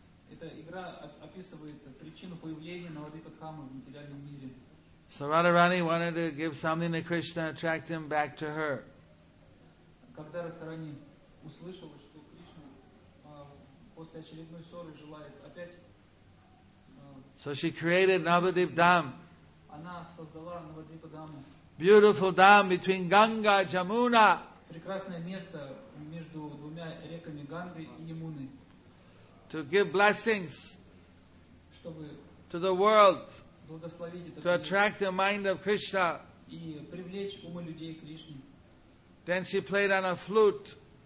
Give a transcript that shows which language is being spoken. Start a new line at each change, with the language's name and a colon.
Russian: Эта игра описывает причину появления Navadvipa Dhamma в материальном мире.
English: So Radharani wanted to give something to Krishna, attract him back to her.
Russian: Когда Радхарани услышала, что Кришна после очередной ссоры желает опять.
English: So she created Navadvip Dham.
Russian: Она создала Navadvipa Dhamma.
English: Beautiful dam between Ganga and Jamuna.
Russian: Прекрасное место между двумя реками Ганги и Ямуны.
English: To give blessings.
Russian: Чтобы
English: to the world.
Russian: Благословить это.
English: To attract the mind of Krishna.
Russian: И привлечь умы людей к Кришне.
English: Then she played on a flute.